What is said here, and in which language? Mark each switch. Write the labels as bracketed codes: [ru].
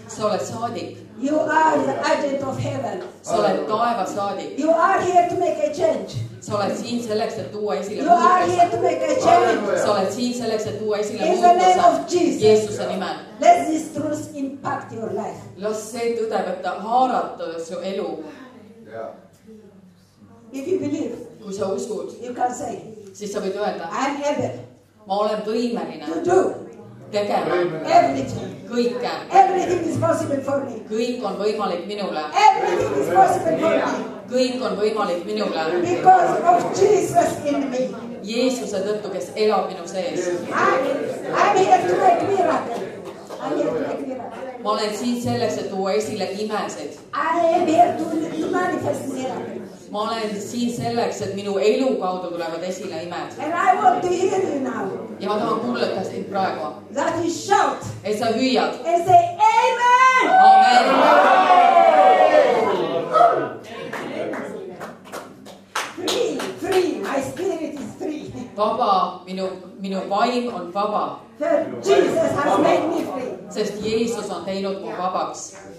[et] Sa oled saadik. [en] You are the agent of heaven. [et] Sa oled taeva saadik. [en] You are here to make a change. [et] Sa oled siin selleks, et tuua esile muutuse. [en] You are here to make a change. [et] Sa oled siin selleks, et tuua esile muutuse. [en] In the name of Jesus. [et] Jeesuse nimel. [en] Let this truth impact your life. [et] Las see tõde võtta haarata su elu. [en] Yeah. If you believe. [et] Kui sa usud. [en] You can say. [et] Siis sa võid öelda. [en] I am able. [et] Ma olen võimeline. [en] To do. [et] Tegema. [en] Everything. [et] Kõike. [en] Everything is possible for me. [et] Kõik on võimalik minule. [en] Everything is possible for me. [et] Kõik on võimalik minule. [en] Because of Jesus in me. [et] Jeesuse tõttu, kes elab minu sees. [en] I'm here to make miracle. I'm here to make miracle. [et] Ma olen siin selleks, et tuua esile imesed. [en] I am here to manifest miracle. [et] Ma olen siin selleks, et minu elu kaudu tulevad esile imed. [en] And I want to hear you now. [et] Ja ma tahan kuulata siin praegu. [en] That is shout. [et] Et sa hüüad. [en] And say amen. Amen. Free, my spirit is free. [et] Vaba, minu vaim on vaba. [en] For Jesus has made me free. [et] Sest Jeesus on teinud mu vabaks.